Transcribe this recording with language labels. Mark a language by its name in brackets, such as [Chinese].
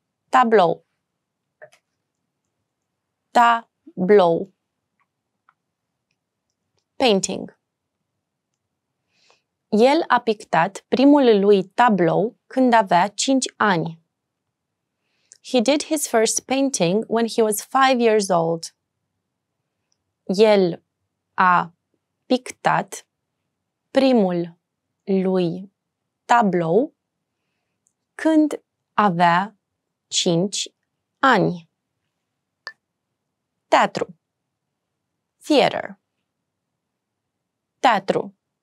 [Romanian] Tableau. Tableau. [English] Painting. [Romanian] El a pictat primul lui tablou când avea 5 ani. [English] He did his first painting when he was 5 years old. [Romanian] El a pictat primul lui tablou când avea 5 ani. Teatru. Theater. Teatru.